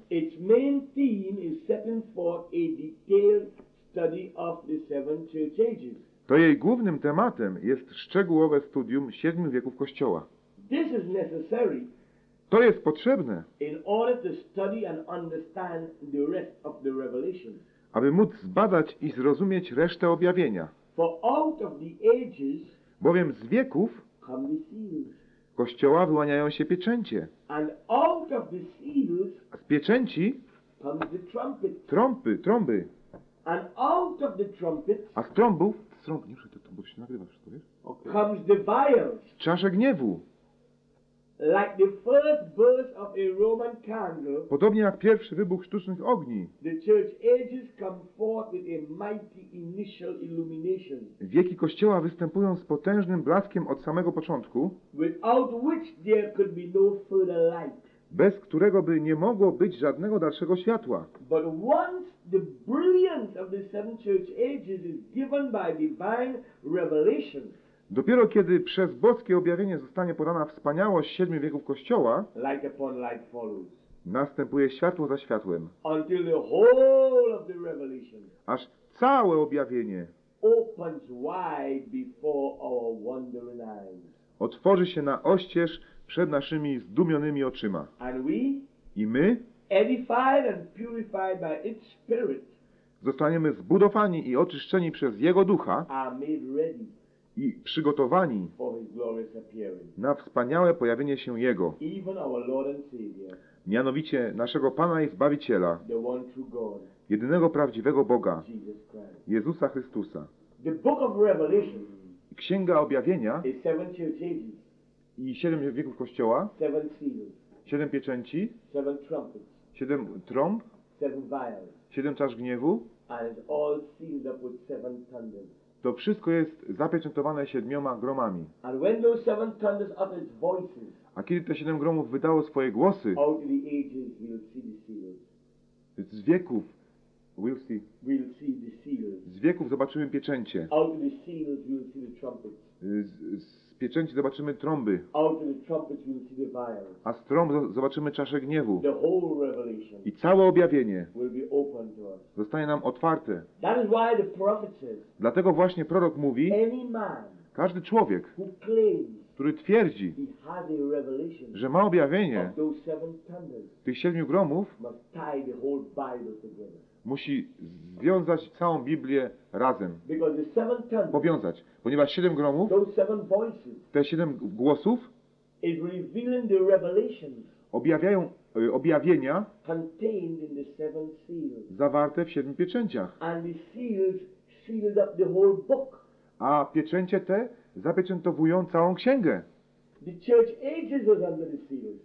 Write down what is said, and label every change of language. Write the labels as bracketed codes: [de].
[en] Its main theme is setting forth a detailed study of the seven church ages. [pl] To jej głównym tematem jest szczegółowe studium siedmiu wieków Kościoła. [en] This is necessary. [pl] To jest potrzebne. [en] In order to study and understand the rest of the revelation. [pl] Aby móc zbadać i zrozumieć resztę objawienia. [en] For out of the ages, [pl] bowiem z wieków Kościoła wyłaniają się pieczęcie. [en] And out of the seals, [pl] a z pieczęci [en] comes the trumpet. [pl] Trąby. [en] And out of the trumpet, [pl] a z trąbów, nie muszę to, bo się nagrywa wszystko, wiesz? [en] Okay. Comes the vials, [pl] czasze gniewu. [en] Like the first burst of a Roman candle, [pl] podobnie jak pierwszy wybuch sztucznych ogni, [en] the church ages come forth with a mighty initial illumination, [pl] wieki Kościoła występują z potężnym blaskiem od samego początku, [en] without which there could be no further light, [pl] bez którego by nie mogło być żadnego dalszego światła. [en] But once the brilliance of the seven church ages is given by divine revelation, [pl] dopiero kiedy przez boskie objawienie zostanie podana wspaniałość siedmiu wieków Kościoła, [en] light upon light follows. [pl] Następuje światło za światłem. [en] Until the whole of the revelation, [pl] aż całe objawienie [en] opens wide before our wondering eyes. [pl] Otworzy się na oścież przed naszymi zdumionymi oczyma. [en] And we, [pl] i my, [en] edified and purified by its spirit, [pl] zostaniemy zbudowani i oczyszczeni przez Jego Ducha, [en] are made ready [pl] i przygotowani [en] for his glorious appearing, [pl] na wspaniałe pojawienie się Jego, [en] even our Lord and Savior, [pl] mianowicie naszego Pana i Zbawiciela, [en] the one true God, [pl] jedynego prawdziwego Boga, [en] Jesus Christ, [pl] Jezusa Chrystusa. [en] The Book of Revelation, [pl] Księga Objawienia, [en] is seven church ages, [pl] i siedem wieków Kościoła, [en] seven seals, [pl] siedem pieczęci, [en] seven trumpets, [pl] siedem trąb, [en] seven vials, [pl] siedem czasz gniewu, [en] and all sealed up with seven thunders. [pl] To wszystko jest zapieczętowane siedmioma gromami. [en] And when those seven thunders uttered voices, [pl] a kiedy te siedem gromów wydało swoje głosy, [en] out of the ages we'll see the seals. [pl] Z wieków [en] we'll see, the seals. [pl] Z wieków zobaczymy pieczęcie. [en] Out of the seals we'll see the trumpets. [pl] Z pieczęci zobaczymy trąby. [en] Out of the trumpets we'll see the vials. [pl] A z trąb zobaczymy czaszę gniewu. [en] The whole revelation [pl] i całe objawienie [en] will be open to us. [pl] Zostanie nam otwarte. [en] That is why the prophet says, [pl] dlatego właśnie prorok mówi, [en] any man, [pl] każdy człowiek, [en] who claims, [pl] który twierdzi, [en] he has a revelation, [pl] że ma objawienie [en] of those seven thunders, [pl] tych siedmiu gromów, [en] must tie the whole Bible together. [pl] Musi związać całą Biblię razem. [en] The seven thunders, [pl] powiązać. Ponieważ siedem gromów, [en] those seven voices, [pl] te siedem głosów, [en] is revealing the revelations, [pl] objawiają objawienia [en] contained in the seven seals, [pl] zawarte w siedmiu pieczęciach. [en] And the seals sealed up the whole book. [pl] A pieczęcie te zapieczętowują całą księgę. [en] The church ages was under the seals.